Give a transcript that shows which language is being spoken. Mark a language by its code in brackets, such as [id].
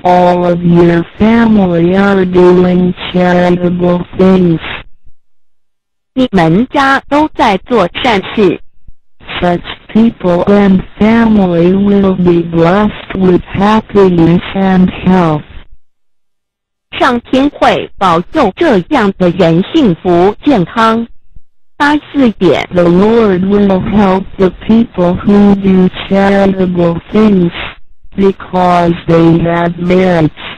[en] All of your family are doing charitable things. [zh] 你们家都在做善事。 [en] Such people and family will be blessed with happiness and health. [zh] 上天会保佑这样的人幸福健康。 84点 [en] The Lord will help the people who do charitable things because they have merits.